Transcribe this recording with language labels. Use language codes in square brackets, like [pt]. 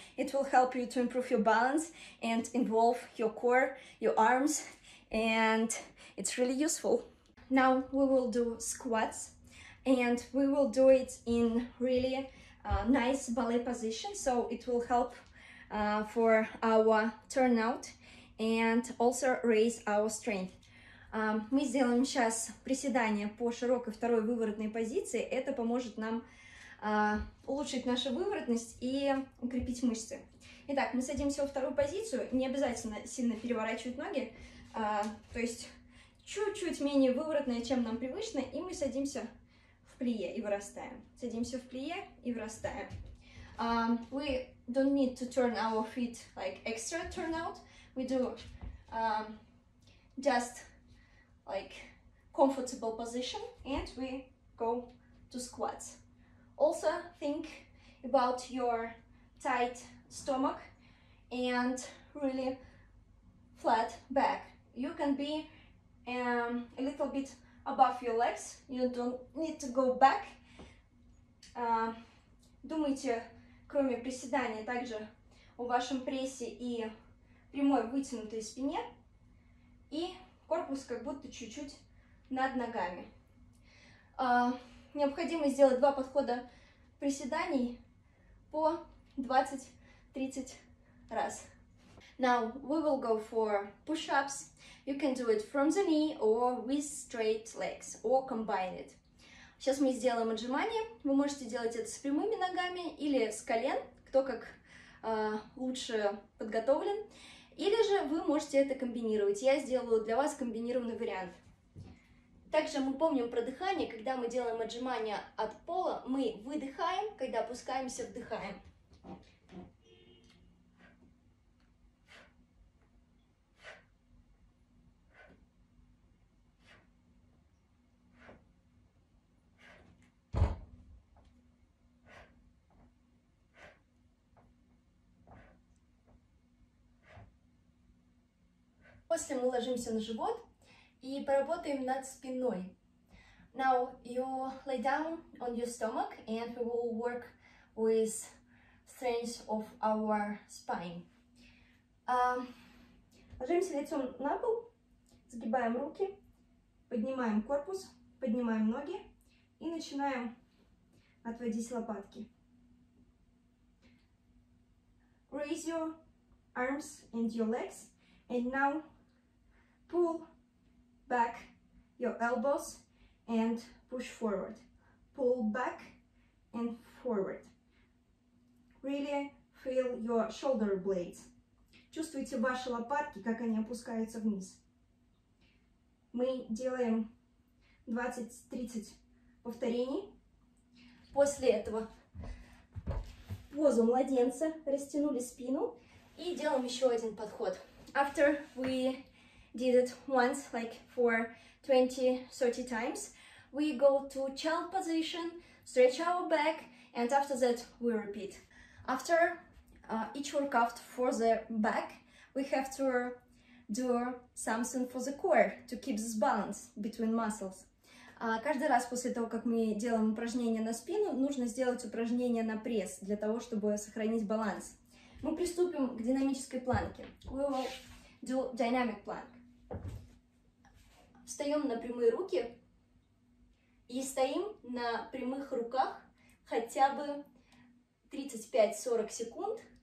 [en] It will help you to improve your balance and involve your core, your arms, and it's really useful. Now we will do squats. And we will do it in really nice ballet position, so it will help for our turnout and also raise our strength. [ru] Мы сделаем сейчас приседания по широкой второй выворотной позиции. Это поможет нам улучшить нашу выворотность и укрепить мышцы. Итак, мы садимся во вторую позицию. Не обязательно сильно переворачивать ноги. То есть чуть-чуть менее выворотная, чем нам привычно. И мы садимся в плие и вырастаем. Садимся в плие и вырастаем. [en] We don't need to turn our feet like extra turnout. We do just like comfortable position and we go to squats. Also think about your tight stomach and really flat back. You can be a little bit above your legs. You don't need to go back. [ru] Думайте, кроме приседания, также о вашем прессе и прямой вытянутой спине и корпус как будто чуть-чуть над ногами. Необходимо сделать два подхода приседаний по 20-30 раз. [en] Now we will go for push-ups. You can do it from the knee or with straight legs or combine it. [ru] Сейчас мы сделаем отжимания. Вы можете делать это с прямыми ногами или с колен, кто как лучше подготовлен. Или же вы можете это комбинировать. Я сделаю для вас комбинированный вариант. Также мы помним про дыхание. Когда мы делаем отжимания от пола, мы выдыхаем, когда опускаемся, вдыхаем. После мы ложимся на живот и поработаем над спиной. [en] Now you lay down on your stomach and we will work with strength of our spine. [ru] Ложимся лицом на пол, сгибаем руки, поднимаем корпус, поднимаем ноги и начинаем отводить лопатки. [en] Raise your arms and your legs and now pull back your elbows and push forward. Pull back and forward. Really feel your shoulder blades. [ru] Чувствуйте ваши лопатки, как они опускаются вниз. Мы делаем 20-30 повторений. После этого позу младенца растянули спину и делаем еще один подход. [en] After we did it once, like for 20-30 times. We go to child position, stretch our back, and after that we repeat. After each workout for the back, we have to do something for the core to keep this balance between muscles. [ru] Каждый раз после того, как мы делаем упражнение на спину, нужно сделать упражнение на пресс для того, чтобы сохранить баланс. Мы приступим к динамической планке. [en] We will do dynamic plank. [ru] Встаем на прямые руки и стоим на прямых руках хотя бы 35-40 секунд.